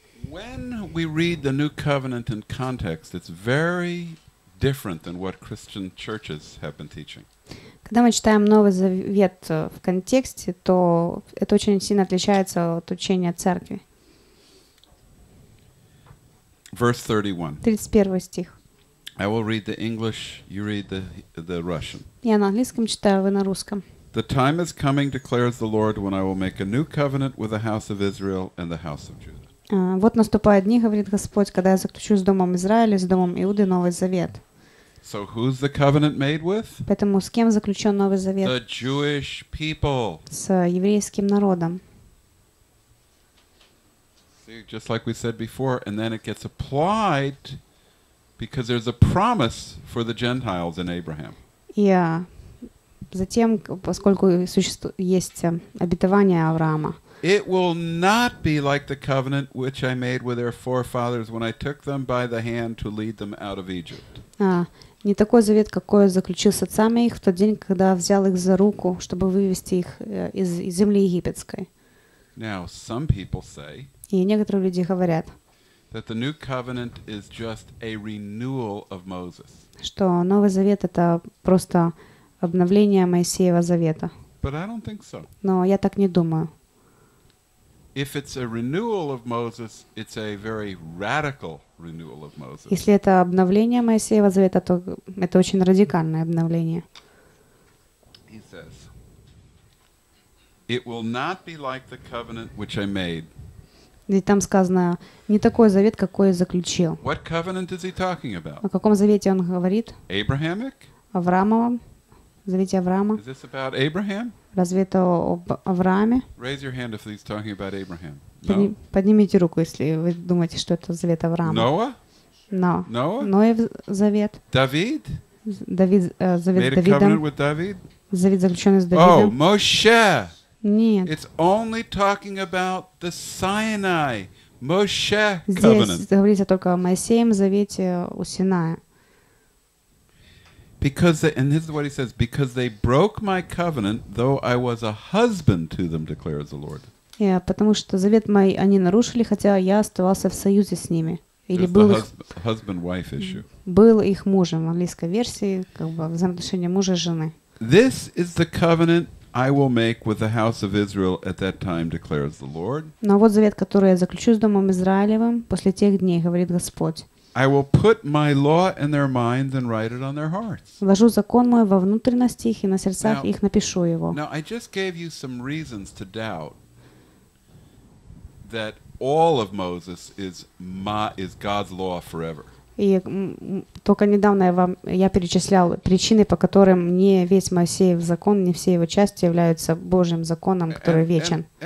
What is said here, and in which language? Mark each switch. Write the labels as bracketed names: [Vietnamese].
[English] When we read the New Covenant in context, it's very different than what Christian churches have been teaching. [Russian] Когда мы читаем Новый Завет в контексте, то это очень сильно отличается от учения церкви. [English] Verse 31 [Russian] стих. [English] I will read the English, you read the Russian. [Russian] Я на английском читаю, вы на русском. [English] The time is coming, declares the Lord, when I will make a new covenant with the house of Israel and the house of Judah. [Russian] Вот наступают дни, говорит Господь, когда я заключу с домом Израиля, с домом Иуды Новый Завет. [English] So who's the covenant made with? [Russian] Поэтому с кем заключен Новый Завет? [English] The Jewish people. [Russian] С еврейским народом. [English] See, just like we said before, and then it gets applied because there's a promise for the Gentiles in Abraham. Yeah. [Russian] Затем, поскольку есть обетование Авраама. [English] It will not be like the covenant which I made with their forefathers when I took them by the hand to lead them out of Egypt. [Russian] Не такой завет, какой я заключил с отцами их в тот день, когда взял их за руку, чтобы вывести их из земли египетской. [English] Now some people say. [Russian] И некоторые люди говорят. [English] That the new covenant is just a renewal of Moses. [Russian] Что Новый Завет это просто обновление Моисеева Завета. [English] But I don't think so. [Russian] Но я так не думаю. [English] If it's a renewal of Moses, it's a very radical renewal of Moses. [Russian] Если это обновление Моисеева Завета, то это очень радикальное обновление. [English] He says, "It will not be like the covenant which I made." [Russian] И там сказано, не такой завет, какой я заключил. [English] What covenant is he talking about? [Russian] О каком завете он говорит? [English] Abrahamic? [Russian] Авраамовом. Завете Авраама. [English] Is this about Abraham? [Russian] Разве это об Аврааме? [English] Raise your hand if he's talking about Abraham. [Russian] Поднимите руку, если вы думаете, что это завет Авраама. [English] Noah? No. Noah? [Russian] Ноев завет. [English] David? [Russian] Давид, завет [English] Made [Russian] с Давидом. [English] Made a covenant with David? [Russian] Завет, заключенный с Давидом. [English] Oh, Moshe! [Russian] Нет. [English] It's only talking about the Sinai, Moshe covenant. [Russian] Здесь говорится только о Моисеем завете у Синая. [English] Because they, and this is what he says, because they broke my covenant, though I was a husband to them, declares the Lord. [Russian] Yeah, потому что завет мой они нарушили, хотя я оставался в союзе с ними или был их [English] husband-wife issue. [Russian] Был их мужем в английской версии, как бы взаимоотношения мужа и жены. [English] This is the covenant I will make with the house of Israel at that time, declares the Lord. [Russian] Но вот завет, который я заключу с домом Израилевым после тех дней, говорит Господь. [English] I will put my law in their minds and write it on their hearts. [Russian] Вложу закон мой во внутренностях и на сердцах их напишу его. [English] Now I just gave you some reasons to doubt that all of Moses is God's law forever. [Russian] И только недавно я перечислял причины, по которым не весь Моисеев закон, не все его части являются Божьим законом, который вечен.